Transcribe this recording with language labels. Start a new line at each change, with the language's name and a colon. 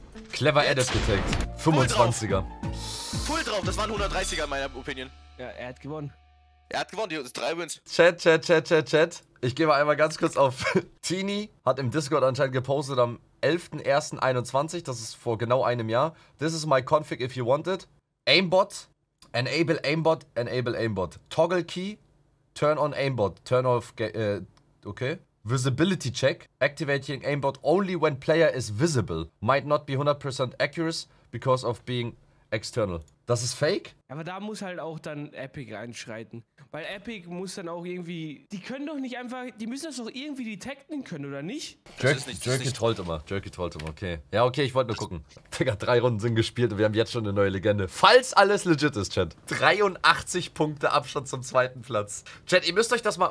German: Clever Edit getaggt. 25er. Full drauf. Das war ein 130er in meiner Opinion. Ja, er hat gewonnen. Er hat gewonnen. Die 3 Wins. Chat. Ich gehe mal einmal ganz kurz auf. Tini hat im Discord anscheinend gepostet am 11.01.21. Das ist vor genau einem Jahr.
English: This is my config if you want it. Aimbot. Enable aimbot. Toggle key. Turn on aimbot. Turn off. Okay. Visibility check. Activating aimbot only when player is visible. Might not be 100% accurate because of being external.
German: Das ist fake? Aber da muss halt auch dann Epic einschreiten. Weil Epic muss dann auch irgendwie. Die können doch nicht einfach. Die müssen das doch irgendwie detecten können, oder nicht? Jerky trollt immer. Okay. Ja, okay, ich wollte nur gucken. Digga, 3 Runden sind gespielt und wir haben jetzt schon eine neue Legende. Falls alles legit ist, Chat. 83 Punkte Abstand zum zweiten Platz. Chat, ihr müsst euch das mal.